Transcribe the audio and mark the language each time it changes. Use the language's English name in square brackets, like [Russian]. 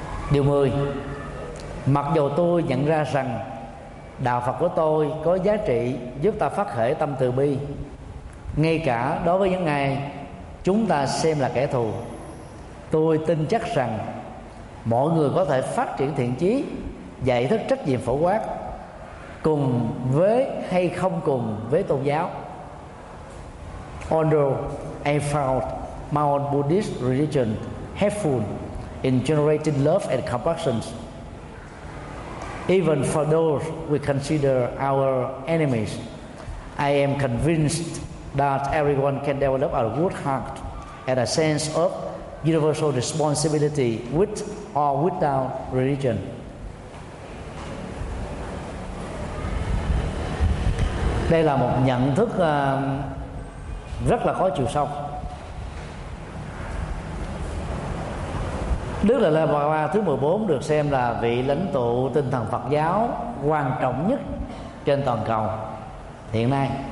[Vietnamese] Điều 10: mặc dù tôi nhận ra rằng đạo Phật của tôi có giá trị giúp ta phát khởi tâm từ bi, ngay cả đối với những ai chúng ta xem là kẻ thù, tôi tin chắc rằng mọi người có thể phát triển thiện chí, dạy thức trách nhiệm phổ quát, cùng với hay không cùng với tôn giáo. [English] Although I found my own Buddhist religion helpful in generating love and compassion, even for those we consider our enemies, I am convinced that everyone can develop a good heart and a sense of universal responsibility with or without religion. [Vietnamese] Đây là một nhận thức rất là khó chịu sâu. Đức Dalai Lama thứ 14 được xem là vị lãnh tụ tinh thần Phật giáo quan trọng nhất trên toàn cầu hiện nay.